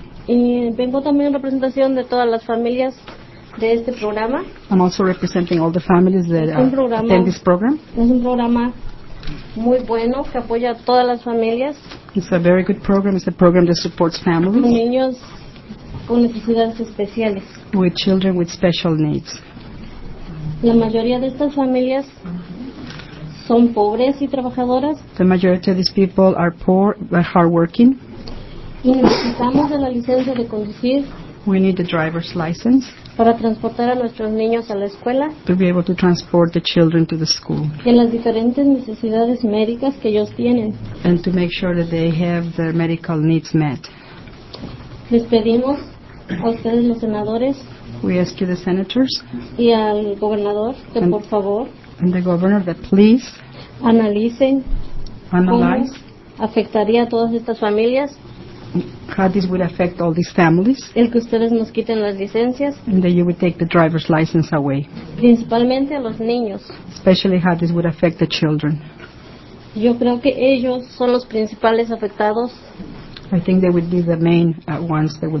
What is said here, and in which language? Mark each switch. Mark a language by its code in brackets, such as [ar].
[es] Y vengo también en representación de todas las familias de este programa. [en] I'm also representing all the families that attend this program. [es] Es un programa muy bueno, que apoya a todas las familias. [en] It's a very good program. It's a program that supports families. [es] Niños con necesidades especiales. [en] With children with special needs. [es] La mayoría de estas familias son pobres y trabajadoras. [en] The majority of these people are poor but hardworking. [es] Y necesitamos de la licencia de conducir. [en] We need the driver's license. [es] Para transportar a nuestros niños a la escuela. [en] To be able to transport the children to the school. [es] Y en las diferentes necesidades médicas que ellos tienen. [en] And to make sure that they have their medical needs met. [es] Les pedimos a ustedes los senadores. [en] We ask you the senators. [es] Y al gobernador que por favor. [en] And the governor that please. [es] Analicen. [en] Analyze. [es] Cómo afectaría a todas estas familias. [en] How this will affect all these families. [es] El que ustedes nos quiten las licencias. [en] And that you would take the driver's license away. [es] Principalmente a los niños. [en] Especially how this would affect the children. [es] Yo creo que ellos son los principales afectados. [en] I think they would be the main ones that would